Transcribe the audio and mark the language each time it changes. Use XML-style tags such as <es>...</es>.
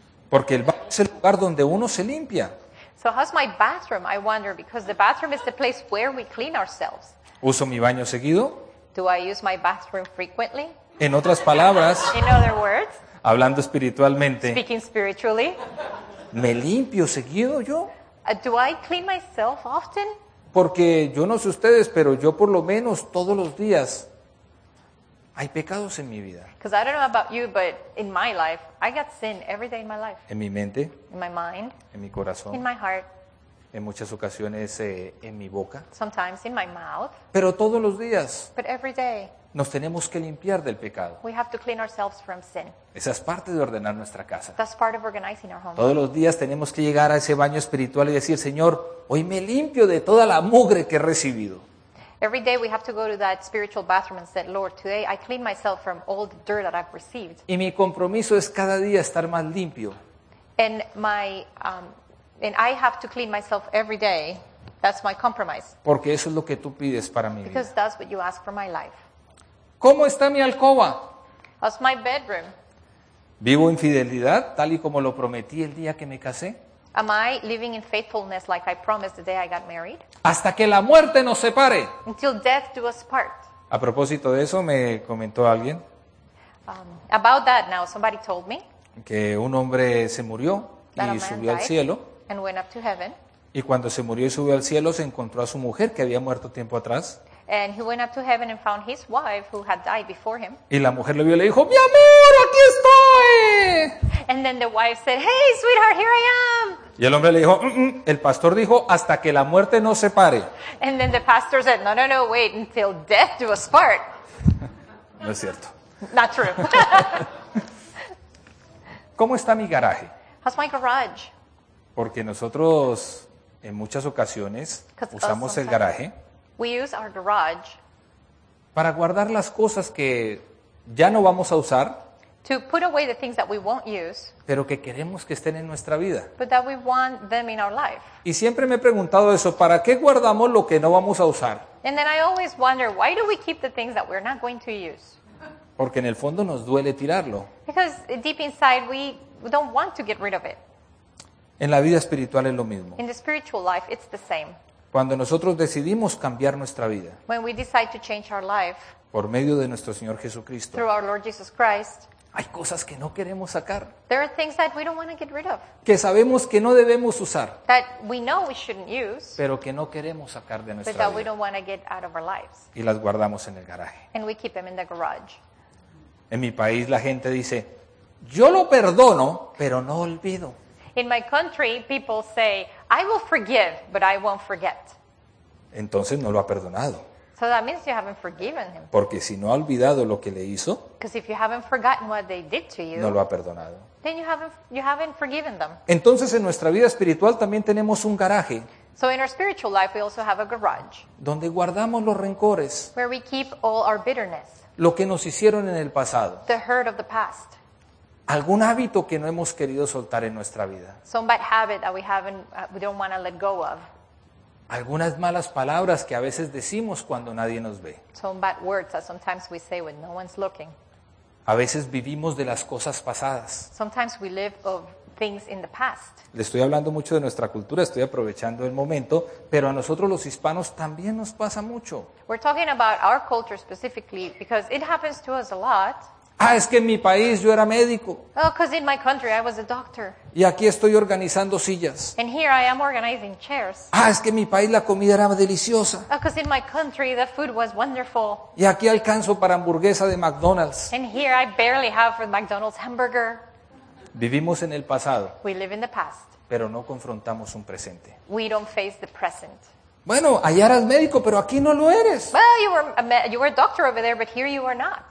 <es>Porque el baño es el lugar donde uno se limpia.</es> <en>So how's my bathroom? I wonder, because the bathroom is the place where we clean ourselves.</en> <es>¿Uso mi baño seguido?</es> <en>Do I use my bathroom frequently?</en> <es>En otras palabras,</es> <en>in other words,</en> <es>hablando espiritualmente,</es> <en>speaking spiritually,</en> <es>¿me limpio seguido yo?</es> <en>Do I clean myself often?</en> <es>Porque yo no sé ustedes, pero yo por lo menos todos los días hay pecados en mi vida.</es> <en>Because I don't know about you, but in my life, I got sin every day in my life.</en> <es>En mi mente.</es> <en>In my mind.</en> <es>En mi corazón.</es> <en>In my heart.</en> <es>En muchas ocasiones, en mi boca.</es> <en>Sometimes in my mouth.</en> <es>Pero todos los días.</es> <en>But every day.</en> <es>Nos tenemos que limpiar del pecado.</es> <en>We have to clean ourselves from sin.</en> <es>Esa es parte de ordenar nuestra casa.</es> <en>That's part of organizing our home.</en> <es>Todos los días tenemos que llegar a ese baño espiritual y decir, Señor, hoy me limpio de toda la mugre que he recibido.</es> <en>Every day we have to go to that spiritual bathroom and say, Lord, today I clean myself from all the dirt that I've received.</en> <es>Y mi compromiso es cada día estar más limpio.</es> <en>And I have to clean myself every day. That's my compromise.</en> <es>Porque eso es lo que tú pides para mi</es> <en>Because That's what you ask for my life.</en> <es>¿Cómo está mi alcoba?</es> <en>How's my bedroom?</en> <es>¿Vivo infidelidad tal y como lo prometí el día que me casé?</es> <en>Am I living in faithfulness like I promised the day I got married?</en> <es>Hasta que la muerte nos separe.</es> <en>Until death do us part.</en> <es>A propósito de eso, me comentó alguien.</es> <en>About that now, somebody told me.</en> <es>Que un hombre se murió y subió al cielo.</es> <en>And went up to heaven.</en> <es>Y cuando se murió y subió al cielo, se encontró a su mujer que había muerto tiempo atrás.</es> <en>And he went up to heaven and found his wife who had died before him.</en> <es>Y la mujer lo vio y le dijo, mi amor, aquí estoy.</es> <en>And then the wife said, hey, sweetheart, here I am.</en> <es>Y el hombre le dijo, el pastor dijo, hasta que la muerte nos separe.</es> <en>And then the pastor said, no, wait, until death do us part.</en> <es>No es cierto.</es> <en>Not true.</en> <es>¿Cómo está mi garaje?</es> <en>How's my garage?</en> <es>Porque nosotros, en muchas ocasiones, usamos el garaje.</es> <en>We use our garage</en> <es>para guardar las cosas que ya no vamos a usar,</es> <en>to put away the things that we won't use,</en> <es>pero que queremos que estén en nuestra vida.</es> <en>But that we want them in our life.</en> <es>Y siempre me he preguntado eso, ¿para qué guardamos lo que no vamos a usar?</es> <en>And then I always wonder, why do we keep the things that we're not going to use?</en> <es>Porque en el fondo nos duele tirarlo.</es> <en>Because deep inside we don't want to get rid of it.</en> <es>En la vida espiritual es lo mismo.</es> <en>In the spiritual life it's the same.</en> <es>Cuando nosotros decidimos cambiar nuestra vida.</es> <en>When we decide to change our life.</en> <es>Por medio de nuestro Señor Jesucristo.</es> <en>Through our Lord Jesus Christ.</en> <es>Hay cosas que no queremos sacar.</es> <en>There are things that we don't want to get rid of.</en> <es>Que sabemos que no debemos usar.</es> <en>That we know we shouldn't use.</en> <es>Pero que no queremos sacar de nuestra vida.</es> <en>But that we don't want to get out of our lives.</en> <es>Y las guardamos en el garaje.</es> <en>And we keep them in the garage.</en> <es>En mi país la gente dice, yo lo perdono, pero no olvido.</es> <en>In my country, people say, I will forgive, but I won't forget.</en> <es>Entonces no lo ha perdonado.</es> <en>So that means you haven't forgiven him.</en> <es>Porque si no ha olvidado lo que le hizo,</es> <en>because if you haven't forgotten what they did to you,</en> <es>no lo ha perdonado.</es> <en>Then you haven't forgiven them.</en> <es>Entonces en nuestra vida espiritual también tenemos un garaje.</es> <en>So in our spiritual life we also have a garage.</en> <es>Donde guardamos los rencores.</es> <en>Where we keep all our bitterness.</en> <es>Lo que nos hicieron en el pasado.</es> <en>The hurt of the past.</en> <es>Algún hábito que no hemos querido soltar en nuestra vida.</es> <en>Some bad habit that we don't want to let go of.</en> <es>Algunas malas palabras que a veces decimos cuando nadie nos ve.</es> <en>Some bad words that sometimes we say when no one's looking.</en> <es>A veces vivimos de las cosas pasadas.</es> <en>Sometimes we live of things in the past.</en> <es>Le estoy hablando mucho de nuestra cultura, estoy aprovechando el momento, pero a nosotros los hispanos también nos pasa mucho.</es> <en>We're talking about our culture specifically because it happens to us a lot.</en> <es>Ah, es que en mi país yo era médico.</es> <en>Oh, because in my country I was a doctor.</en> <es>Y aquí estoy organizando sillas.</es> <en>And here I am organizing chairs.</en> <es>Ah, es que en mi país la comida era deliciosa.</es> <en>Oh, because in my country the food was wonderful.</en> <es>Y aquí alcanzo para hamburguesa de McDonald's.</es> <en>And here I barely have for McDonald's hamburger.</en> <es>Vivimos en el pasado.</es> <en>We live in the past.</en> <es>Pero no confrontamos un presente.</es> <en>We don't face the present.</en> <es>Bueno, allá eras médico, pero aquí no lo eres.</es> <en>Well, you were a doctor over there, but here you are not.</en>